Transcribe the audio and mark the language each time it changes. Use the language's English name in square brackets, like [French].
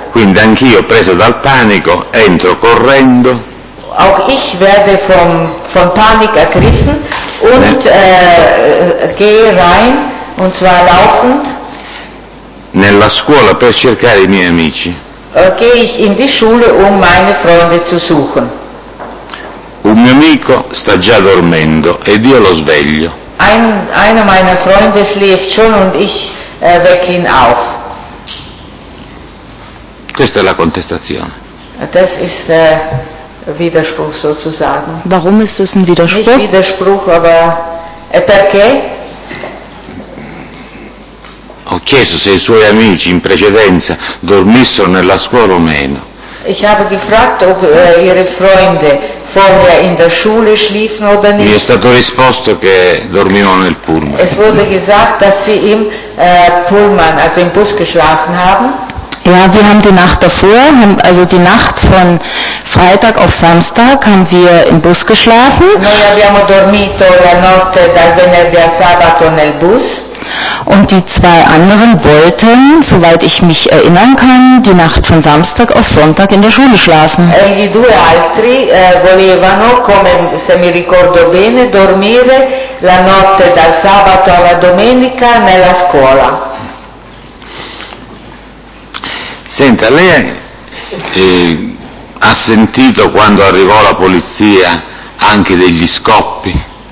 [Italian] Quindi anch'io, preso dal panico, entro correndo. [German] Auch ich werde von Panik ergriffen und gehe rein. Und zwar laufend. [Italian] Nella scuola per cercare i miei amici. [German] Gehe ich in die Schule, um meine Freunde zu suchen. [Italian] Un mio amico sta già dormendo ed io lo sveglio. [German] Einer meiner Freunde schläft schon und ich wecke ihn auf. [Italian] Questa è la contestazione. [German] Das ist Widerspruch sozusagen. Warum ist das ein Widerspruch? Nicht Widerspruch, aber [Italian] perché? Ho chiesto se i suoi amici in precedenza dormissero nella scuola o meno. [German] Ich habe gefragt, ob ihre Freunde vorher in der Schule schliefen oder nicht. [Italian] Mi è stato risposto che dormivano nel pullman. [German] Es wurde gesagt, dass sie im Pullman, also im Bus geschlafen haben. Ja, wir haben die Nacht davor, also die Nacht von Freitag auf Samstag, haben wir im Bus geschlafen. [Italian] Noi abbiamo dormito la notte dal venerdì a sabato nel bus. [German] Und die zwei anderen wollten, soweit ich mich erinnern kann, die Nacht von Samstag auf Sonntag in der Schule schlafen. [Italian] E gli due altri volevano, come se mi ricordo bene, dormire la notte dal sabato alla domenica nella scuola. Senta, lei ha sentito quando arrivò la polizia anche degli scoppi?